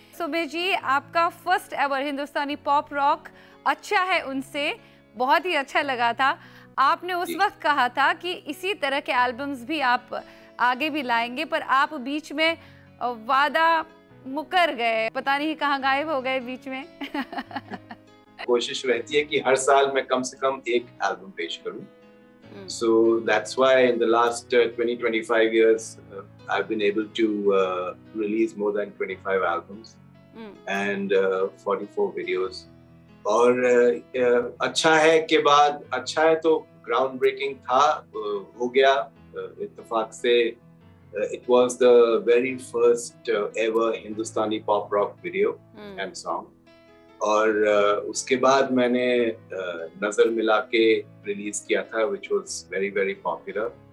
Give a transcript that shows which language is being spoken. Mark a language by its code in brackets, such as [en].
[hi] सुबह जी, आपका first ever हिंदुस्तानी pop rock अच्छा है उनसे बहुत ही अच्छा लगा था, आपने उस वक्त कहा था कि इसी तरह के एल्बम्स भी आप आगे भी लाएंगे, पर आप बीच में वादा मुकर गए, पता नहीं कहाँ गायब हो गए बीच में। कोशिश रहती है कि हर साल मैं कम से कम एक एल्बम पेश करूं। [en] So that's why in the last 20-25 years I've been able to release more than 25 albums and 44 videos. [hi] और अच्छा है के बाद अच्छा है तो ग्राउंड ब्रेकिंग था, हो गया इत्तेफाक से। [en] It was the very first ever Hindustani pop rock video and song. [hi] और उसके बाद मैंने नजर मिला के release किया था, [en] which was very very popular.